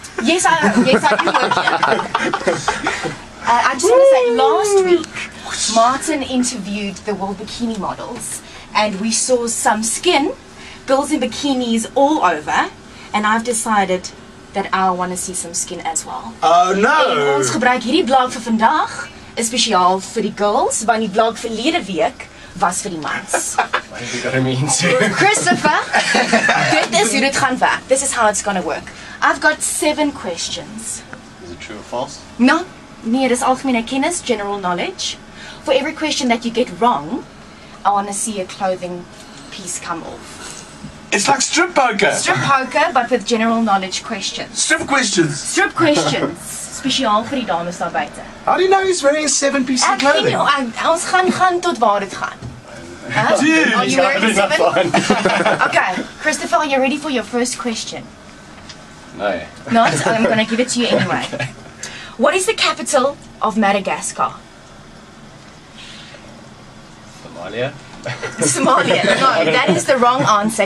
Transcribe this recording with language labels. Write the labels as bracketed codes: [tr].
[en] Yes, I do work here. I just want to say, last week, Martin interviewed the World Bikini models, and we saw some skin, girls in bikinis all over, and I've decided that I want to see some skin as well. Oh no! [af] Ons gebruik hierdie blog vir vandag speciaal vir die girls, want die blog verlede week was vir die mans. [en] What do you got to mean? [af] Christopher, dit is hoe dit gaan werk. [en] This is how it's gonna work. I've got 7 questions. Is it true or false? [af] No. Nee, dis algemene kennis, [en] general knowledge. For every question that you get wrong, I want to see a clothing piece come off. It's like strip poker. Strip poker, but with general knowledge questions. Strip questions. Strip questions. [af] Speciaal vir die dames daar buite. [en] How do you know he's wearing 7 pieces of clothing? [af] Ek weet nie, ons gaan tot waar dit gaan. [en] Dude, are you wearing 7? Okay, Christopher, are you ready for your first question? No. Not? I'm going to give it to you anyway. Okay. What is the capital of Madagascar? Somalia. Somalia. No, that is the wrong answer.